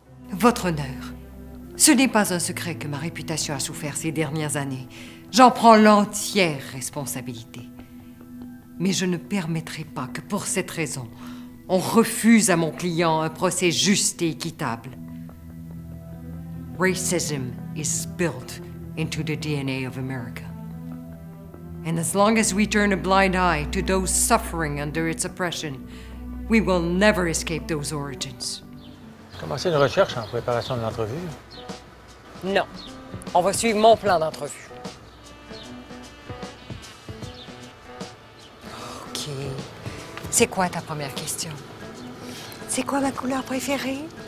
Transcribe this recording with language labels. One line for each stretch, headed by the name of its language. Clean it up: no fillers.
French: Votre honneur, ce n'est pas un secret que ma réputation a souffert ces dernières années. J'en prends l'entière responsabilité. Mais je ne permettrai pas que, pour cette raison, on refuse à mon client un procès juste et équitable.
English: Racism is built into the DNA of America. And as long as we turn a blind eye to those suffering under its oppression, we will never escape those origins.
French: Commencer une recherche en préparation de l'entrevue? Non. On va suivre mon plan d'entrevue. OK. C'est quoi ta première question? C'est quoi ma couleur préférée?